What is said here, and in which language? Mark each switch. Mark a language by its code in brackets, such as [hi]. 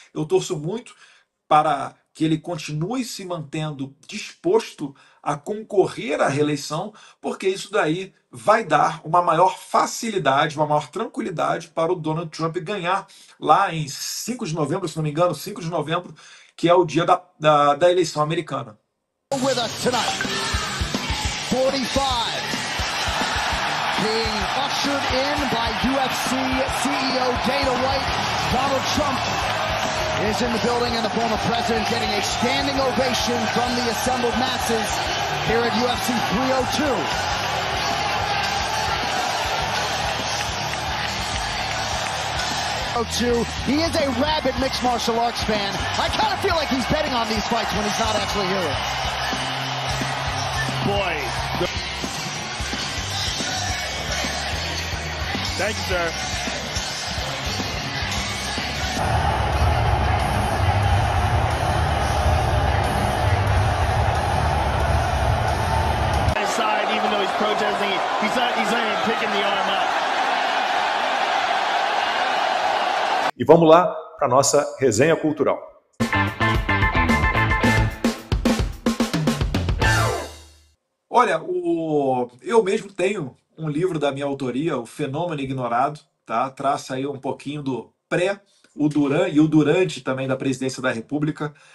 [pt] Eu torço muito para que ele continue se mantendo disposto a concorrer à reeleição, porque isso daí vai dar uma maior facilidade, uma maior tranquilidade para o Donald Trump ganhar lá em 5 de novembro, se não me engano, 5 de novembro, que é o dia da eleição americana. [en] With us tonight, 45, being ushered in by UFC CEO Dana White, Donald Trump is in the building and the former president getting a standing ovation from the assembled masses here at UFC 302. He is a rabid mixed martial arts fan. I kind of feel like he's betting on these fights when he's not actually here. Boy. Thank you, sir. Inside, even though he's protesting, he's not even picking the arm up. [pt] E vamos lá para a nossa resenha cultural. Olha, eu mesmo tenho um livro da minha autoria, O Fenômeno Ignorado, tá? Traça aí um pouquinho do pré, o Duran e o durante também da presidência da República.